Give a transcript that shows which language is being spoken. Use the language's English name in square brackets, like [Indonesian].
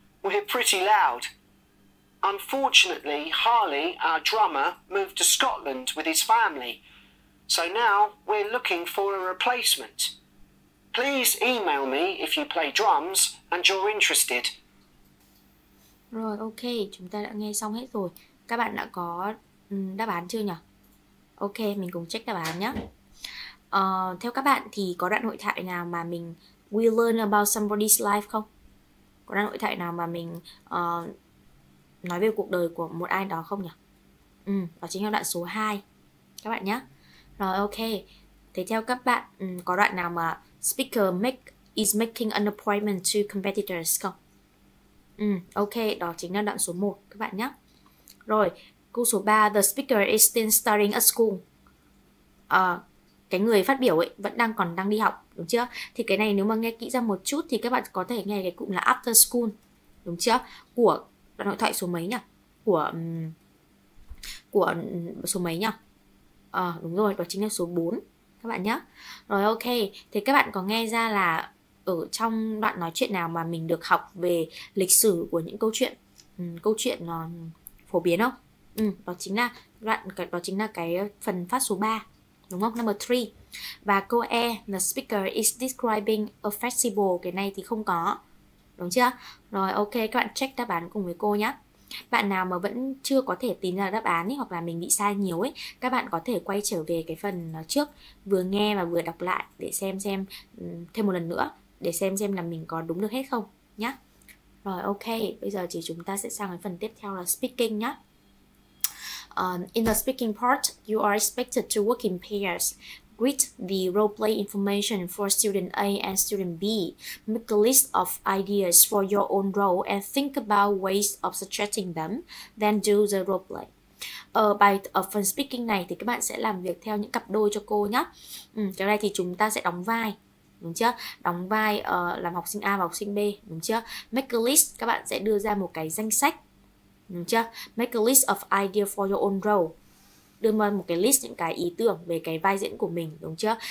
[English] We're pretty loud. Unfortunately, Harley, our drummer, moved to Scotland with his family, so now we're looking for a replacement. Please email me if you play drums and you're interested. [Vietnamese] Rồi, ok, chúng ta đã nghe xong hết rồi. Các bạn đã có đáp án chưa nhỉ? Ok, mình cùng check đáp án nhé. Theo các bạn thì có đoạn hội thoại nào mà mình we learn about somebody's life không? Có đoạn hội thoại nào mà mình nói về cuộc đời của một ai đó không nhỉ? Ừ, đó chính là đoạn số 2 các bạn nhé. Rồi, ok. Thế theo các bạn có đoạn nào mà speaker is making an appointment to competitors không? Ừ, ok, đó chính là đoạn số 1 các bạn nhé. [English] Rồi, câu số 3, the speaker is still studying at school. [Vietnamese] Cái người phát biểu ấy vẫn còn đang đi học, đúng chưa? Thì cái này nếu mà nghe kỹ ra một chút thì các bạn có thể nghe cái cụm là after school, đúng chưa? Của đoạn hội thoại số mấy nhỉ? Của số mấy nhỉ? Đúng rồi, đó chính là số 4 các bạn nhé. Rồi ok, thì các bạn có nghe ra là ở trong đoạn nói chuyện nào mà mình được học về lịch sử của những câu chuyện nó phổ biến không? Ừ, đó chính là cái phần phát số 3, đúng không? Number 3. [English] Và câu E, the speaker is describing a festival. [Vietnamese] Cái này thì không có, đúng chưa? Rồi ok, các bạn check đáp án cùng với cô nhé. Bạn nào mà vẫn chưa có thể tìm ra đáp án ấy, hoặc là mình bị sai nhiều ấy, các bạn có thể quay trở về cái phần trước, vừa nghe và vừa đọc lại để xem thêm một lần nữa, để xem là mình có đúng được hết không nhá. Rồi ok, bây giờ thì chúng ta sẽ sang cái phần tiếp theo là speaking nhá. [English] In the speaking part, you are expected to work in pairs, read the role play information for student A and student B, make a list of ideas for your own role and think about ways of suggesting them, then do the role play. [Vietnamese] Ở bài ở phần speaking này thì các bạn sẽ làm việc theo những cặp đôi cho cô nhé. Cái này thì chúng ta sẽ đóng vai, đúng chưa? Đóng vai làm học sinh A và học sinh B, đúng chưa? Make a list, các bạn sẽ đưa ra một cái danh sách, đúng chưa? Make a list of ideas for your own role, đưa ra một cái list những cái ý tưởng về cái vai diễn của mình, đúng chưa?